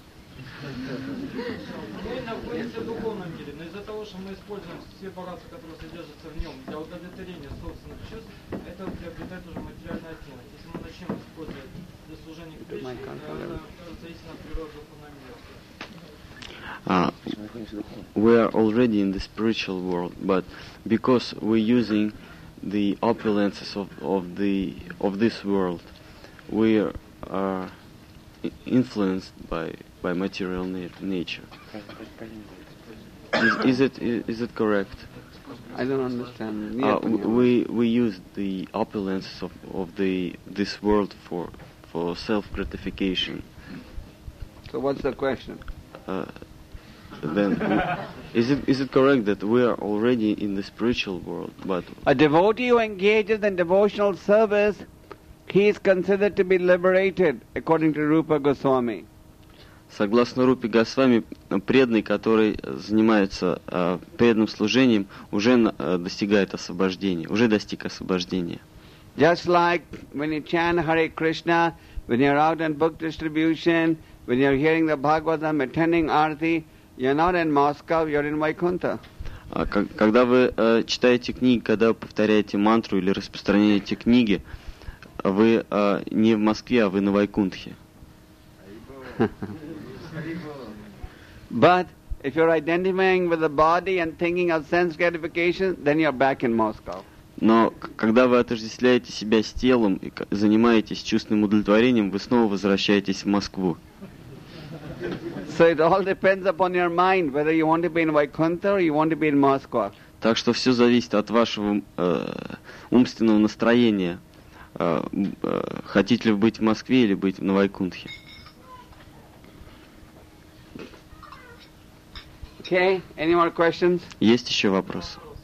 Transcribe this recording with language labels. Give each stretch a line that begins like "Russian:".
Russian: Мы находимся в духовном мире, но из-за того, что мы используем все аппараты, которые содержатся в нем, для удовлетворения собственных чувств, это приобретает уже материальный оттенок. Если мы начнем использовать для служения к Кришне, это зависит от природы духовного мира.
English: We are already in the spiritual world, but because we're using the opulences of this world, we are influenced by material nature. Is it correct? I don't understand. We use the opulences of the this world for self gratification. So what's the question? Then is it correct that we are already in the spiritual world, but a devotee who engages in devotional service, he is considered to be liberated according to Rupa Goswami.
Russian: Согласно Рупе Госвами, преданный, который занимается преданным служением, уже достигает освобождения, уже достиг освобождения.
English: Just like when you chant Hare Krishna, when you're out in book distribution, when you're hearing the Bhagavatam, attending Arati, you're not in Moscow, you're in Vaikuntha.
Russian: Когда вы читаете книги, когда вы повторяете мантру или распространяете книги, вы не в Москве, а вы на Вайкунтхе.
English: But if you're identifying with the body and thinking of sense gratification, then you're back in Moscow.
Russian: Но когда вы отождествляете себя с телом и занимаетесь чувственным удовлетворением, вы снова возвращаетесь в Москву.
English: So it all depends upon your mind whether you want to be in Vaikuntha or you want to be in Moscow.
Russian: Так что все зависит от вашего умственного настроения. Хотите ли вы быть в Москве или быть на Вайкунтхе?
English: Okay, any more questions?
Russian: Есть еще вопросы?